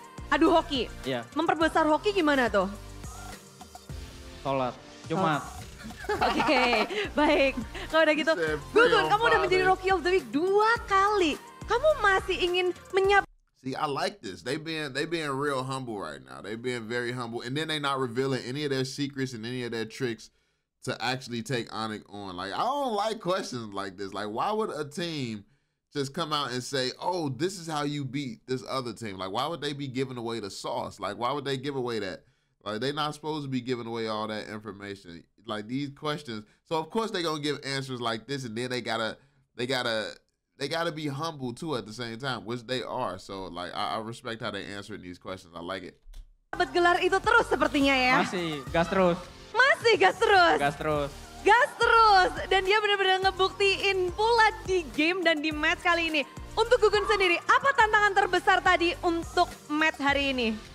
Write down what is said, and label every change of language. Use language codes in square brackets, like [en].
[id] Aduh hoki. Iya. Yeah. Memperbesar hoki gimana tuh? Sholat. Jumat. Oh. Oke, okay, baik. Kalau udah gitu, Gugun, kamu udah menjadi Rookie of the Week 2 kali. Kamu masih ingin menyapa? [en] See, I like this. They being real humble right now. They being very humble. And then they not revealing any of their secrets and any of their tricks to actually take Onyx on. Like, I don't like questions like this. Like, why would a team just come out and say, oh, this is how you beat this other team? Like, why would they be giving away the sauce? Like, why would they give away that? Like, they not supposed to be giving away all that information. Like, these questions. So, of course, they gonna give answers like this, and then they gotta be humble, too, at the same time, which they are. So, like, I respect how they answering these questions. I like it. [id] Dapat gelar itu terus sepertinya ya. Masih, gas terus. Gas terus, dan dia benar-benar ngebuktiin pula di game dan di match kali ini. Untuk Gugun sendiri, apa tantangan terbesar tadi untuk match hari ini?